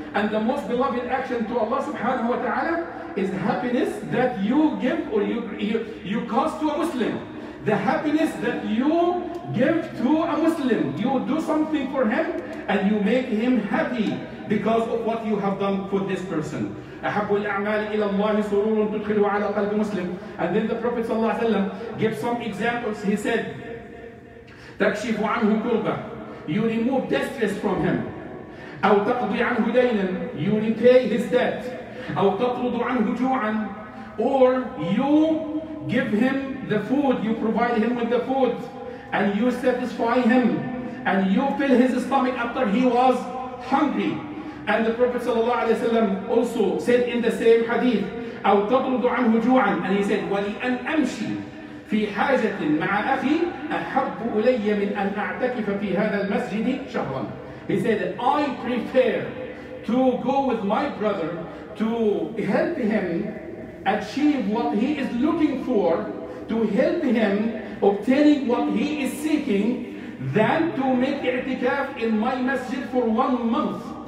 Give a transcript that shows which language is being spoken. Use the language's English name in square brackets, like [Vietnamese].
[English] And the most beloved action to Allah subhanahu wa ta'ala is happiness that you give or you cause to a Muslim. The happiness that you give to a Muslim, you do something for him and you make him happy because of what you have done for this person. [Arabic] أحب الأعمال إلى الله سرور تدخل على قلب مسلم. [English] And then the Prophet صلى الله عليه وسلم gives some examples. He said, [Arabic] تكشف عنه كربة, [English] you remove distress from him. [Arabic] أو تقضي عنه دينا, [English] you repay his debt. [Arabic] أو تطرد عنه جوعا, [English] or you give him the food, you provide him with the food, and you satisfy him, and you fill his stomach after he was hungry. And the Prophet ﷺ also said in the same hadith, [Arabic] أو تطرد عنه جوعاً، أن يسأل ولي أن أمشي في حاجة مع أخي أحب إلي من أن أعتكف في هذا المسجد شهراً. [English] He said that I prefer to go with my brother to help him achieve what he is looking for, to help him obtaining what he is seeking, than to make i'tikaf in my masjid for 1 month.